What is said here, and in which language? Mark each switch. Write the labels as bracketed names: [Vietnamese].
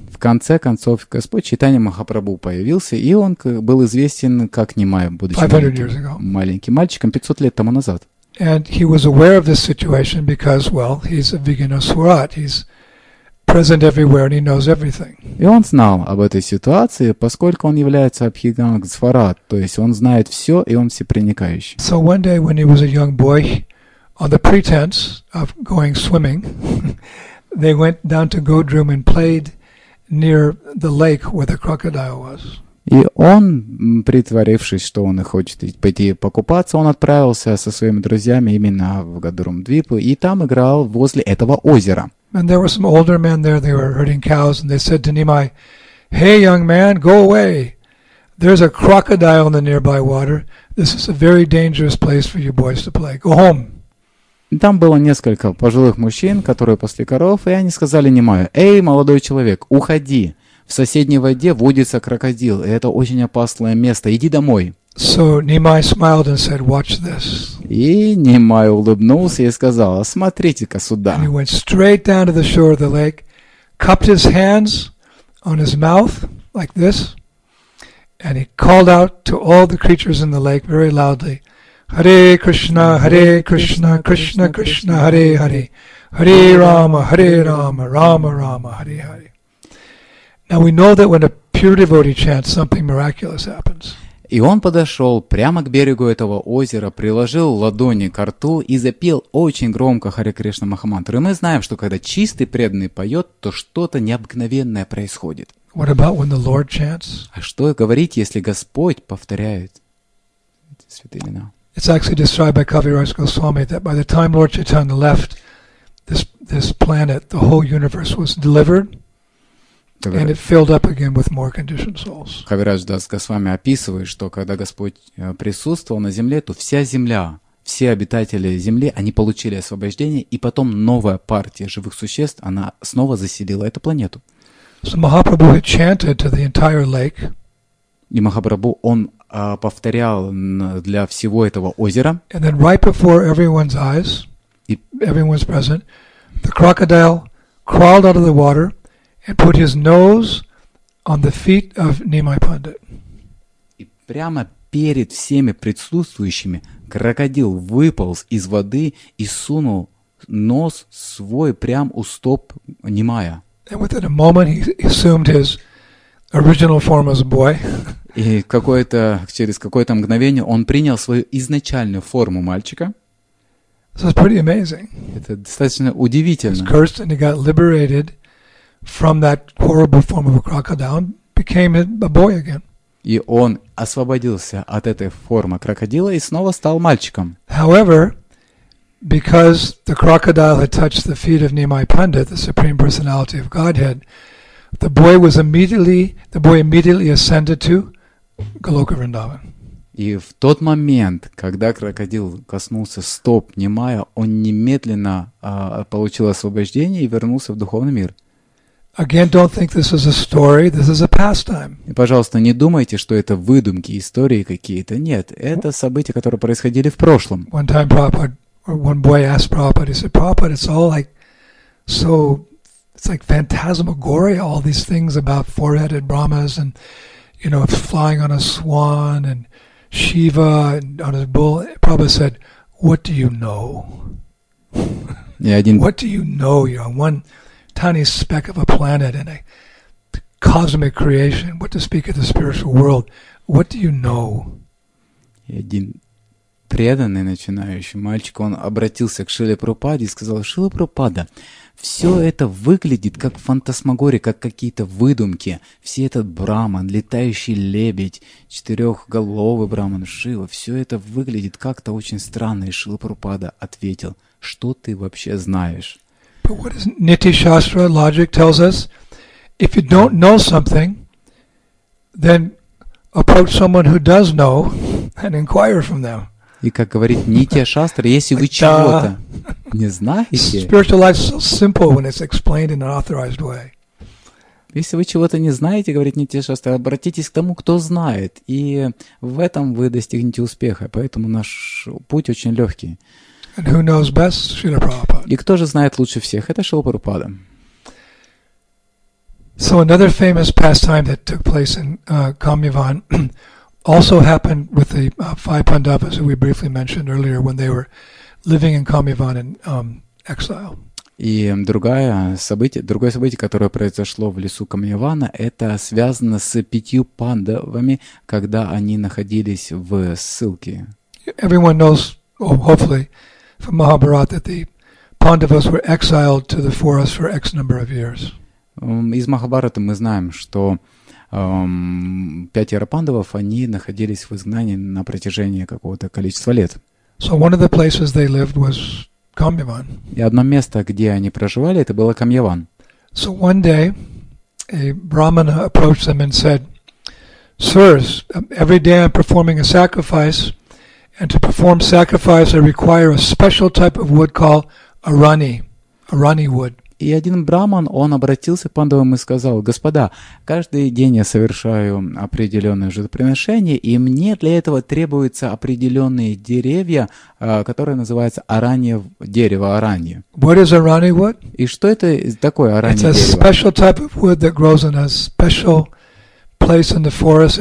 [Russian] В конце концов, Господь Чайтанья Махапрабху появился, и он был известен как Нимай, будучи 500 [English] years ago. [Russian] Маленьким мальчиком 500 лет тому назад. [English] And he was aware of this situation because, well, he's a Vigna Swarat. He's present everywhere and he knows everything. [Russian] И он знал об этой ситуации, поскольку он является Абхиганг Сварат, то есть он знает все и он всепроникающий. [English] So one day when he was a young boy, on the pretense of going swimming, they went down to Godrum and played near the lake where the crocodile was. [Russian] И он, притворившись, что он и хочет пойти покупаться, он отправился со своими друзьями именно в Годрумдвипу и там играл возле этого озера. [English] And there were some older men there, they were herding cows, and they said to Nimai, "Hey, young man, go away. There's a crocodile in the nearby water. This is a very dangerous place for you boys to play. Go home. [Russian] Там было несколько пожилых мужчин, которые пасли коров, и они сказали Немаю: «Эй, молодой человек, уходи! В соседней воде водится крокодил, и это очень опасное место. Иди домой». [English] So Nimai smiled and said, "Watch this." [Russian] И Немай улыбнулся и сказал: «Смотрите-ка сюда». [English] And he went straight down to the shore of the lake, cupped his hands on his mouth like this, and he called out to all the creatures in the lake very loudly, Hare Krishna, Hare Krishna, Krishna Krishna, Hare Hare, Hare Rama, Hare Rama, Rama Rama, Hare Hare. Now we know that when a pure devotee chants, something miraculous happens. [Russian] И он подошел прямо к берегу этого озера, приложил ладони ко рту и запел очень громко Харе Кришна Махамантру. И мы знаем, что когда чистый преданный поет, то что-то необыкновенное происходит. [English] What about when the Lord chants? [Russian] А что говорить, если Господь повторяет эти святые имена? [English] It's actually described by Kaviraj Goswami that by the time Lord Chaitanya left this planet, the whole universe was delivered, and it filled up again with more conditioned souls. [Russian] Kaviraj Das Goswami описывает, что когда Господь присутствовал на земле, то вся земля, все обитатели земли, они получили освобождение, и потом новая партия живых существ, она снова заселила эту планету. [English] So Mahaprabhu had chanted to the entire lake. [Russian] И Махапрабху, он повторял для всего этого озера. [English] And then right before everyone's eyes, everyone's present, the crocodile crawled out of the water and put his nose on the feet of Nimai Pandit. [Russian] И прямо перед всеми присутствующими крокодил выполз из воды и сунул нос свой прямо у стоп Нимая. [English] And within a moment he assumed his original form as a boy. [Russian] И через какое-то мгновение он принял свою изначальную форму мальчика. [English] So it's pretty amazing. [Russian] Это достаточно удивительно. [English] He was cursed and he got liberated from that horrible form of a crocodile, became a boy again. [Russian] И он освободился от этой формы крокодила и снова стал мальчиком. [English] However, because the crocodile had touched the feet of Nimai Pandit, the Supreme Personality of Godhead, the boy immediately ascended to Галока Вриндаван. [Russian] И в тот момент, когда крокодил коснулся стоп Нимая, он немедленно получил освобождение и вернулся в духовный мир. [English] Again, don't think this is a story, this is a pastime. [Russian] И, пожалуйста, не думайте, что это выдумки, истории какие-то. Нет, это события, которые происходили в прошлом. [English] One time Prabhupada, one boy asked Prabhupada, he said, Prabhupada, it's all like so, it's like phantasmagoria, all these things about four-headed Brahmas and, you know, flying on a swan and Shiva and on a bull. Prabhupada said, what do you know? What do you know? You're on one tiny speck of a planet in a cosmic creation. What to speak of the spiritual world? What do you know? [Russian] Преданный начинающий мальчик, он обратился к Шриле Прабхупаде и сказал: «Шрила Прабхупада, все это выглядит как фантасмагория, как какие-то выдумки. Все этот Брахман, летающий лебедь, четырехголовый Брахман, Шива, все это выглядит как-то очень странно». И Шрила Прабхупада ответил: «Что ты вообще знаешь?» [English] But what is Niti Shastra logic tells us? If you don't know something, then approach someone who does know and inquire from them. [Russian] И как говорит Нитья Шастра, если вы чего-то не знаете... [English] Spiritual life is so simple when it's explained in an authorized way. [Russian] Если вы чего-то не знаете, говорит Нитья Шастра, обратитесь к тому, кто знает, и в этом вы достигнете успеха. Поэтому наш путь очень легкий. [English] And who knows best? Шрила Прабхупада. [Russian] И кто же знает лучше всех? Это Шрила Прабхупада. [English] So another famous pastime that took place in Kamyavan also happened with the five Pandavas who we briefly mentioned earlier when they were living in Kamyavan in exile. [Russian] И другое событие, которое произошло в лесу Камьявана, это связано с пятью пандавами, когда они находились в ссылке. [English] Everyone knows, hopefully, from Mahabharata that the Pandavas were exiled to the forest for X number of years. [Russian] Из Махабхараты мы знаем, что пятеро пандавов, они находились в изгнании на протяжении какого-то количества лет. [English] So one of the places they lived was Kamyavan. [Russian] И одно место, где они проживали, это было Камьяван. [English] So one day a brahmana approached them and said, Sirs, every day I'm performing a sacrifice, and to perform sacrifice I require a special type of wood called arani wood. [Russian] И один браман, он обратился к пандавам и сказал: «Господа, каждый день я совершаю определенное жертвоприношение, и мне для этого требуются определенные деревья, которые называются аранье дерево, аранье». [English] What is arani wood? [Russian] И что это такое аранье дерево? [English] It's a special type of wood that grows in a special place in the forest.